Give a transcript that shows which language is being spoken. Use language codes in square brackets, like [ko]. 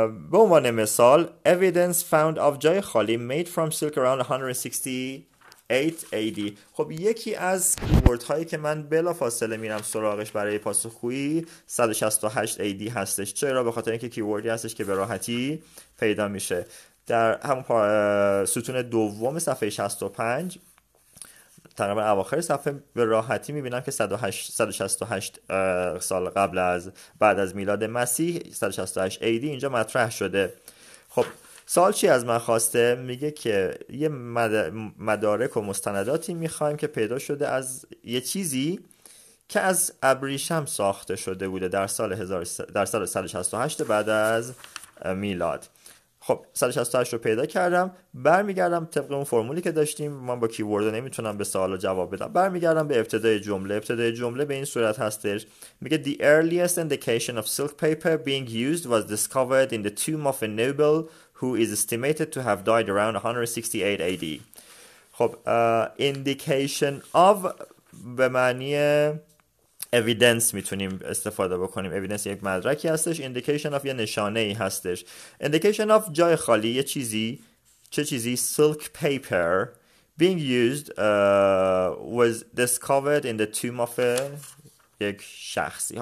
[fa] به عنوان مثال [en] evidence found of [fa] جای خالی [en] made from silk around 168 AD. [fa] خب یکی از کیورد هایی که من بلا فاصله میرم سراغش برای پاسخگویی 168 AD هستش. چرا؟ به خاطر اینکه کیوردی هستش که به راحتی پیدا میشه. در همون ستون دوم صفحه 65 تقریبا اواخر صفحه به راحتی میبینم که 168 سال قبل از بعد از میلاد مسیح 168 AD اینجا مطرح شده. خب سوال چی از من خواسته؟ میگه که یه مدارک و مستنداتی میخوایم که پیدا شده از یه چیزی که از ابریشم ساخته شده بوده در سال 168 بعد از میلاد. خب 168 رو پیدا کردم، برمیگردم طبق اون فرمولی که داشتیم، من با کیورد نمیتونم به سوال جواب بدم، برمیگردم به ابتدای جمله. ابتدای جمله به این صورت هستش، میگه [en] the earliest indication of silk paper being used was discovered in the tomb of a noble who is estimated to have died around 168 AD. [fa] خب indication of به معنی evidence میتونیم استفاده بکنیم، evidence یک مدرکی هستش، indication of یه نشانه ای هستش، indication of جای خالی یه چیزی، چه چیزی؟ [en] silk paper being used was discovered in the tomb of [fa] یک شخصی.